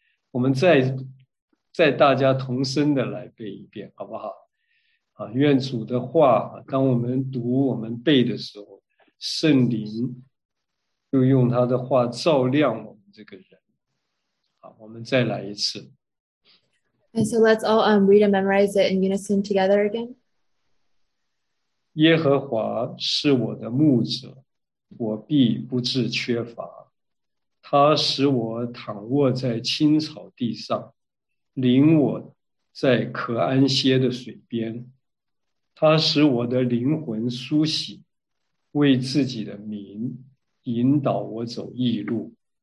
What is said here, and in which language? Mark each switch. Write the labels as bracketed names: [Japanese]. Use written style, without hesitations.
[Chinese] 我们再大家同声的来背一遍，好不好？愿主的话，当我们读我们背的时候，圣灵就用他的话照亮我们这个人。好，我们再来一次。 [English] And so let's all read and memorize it in unison together again. [Chinese] 耶和华是我的牧者，我必不致缺乏。他使我躺卧在青草地上，领我在可安歇的水边。他使我的灵魂苏醒，为自己的名引导我走义路。